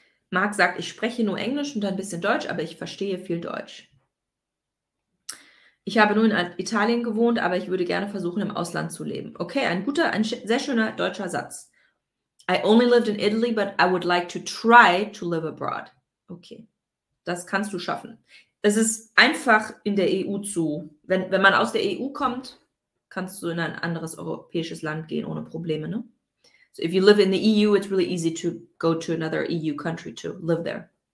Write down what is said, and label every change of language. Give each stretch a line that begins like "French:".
German: Marc sagt, ich spreche nur Englisch und ein bisschen Deutsch, aber ich verstehe viel Deutsch. Ich habe nur in Italien gewohnt, aber ich würde gerne versuchen, im Ausland zu leben. Okay, ein guter, ein sehr schöner deutscher Satz.
English: I only lived in Italy, but I would like to try to live abroad.
German: Okay, das kannst du schaffen. Es ist einfach, in der EU zu, wenn man aus der EU kommt, kannst du in ein anderes europäisches Land gehen ohne Probleme, ne?
English: So if you live in the EU, it's really easy to go to another EU country to live there.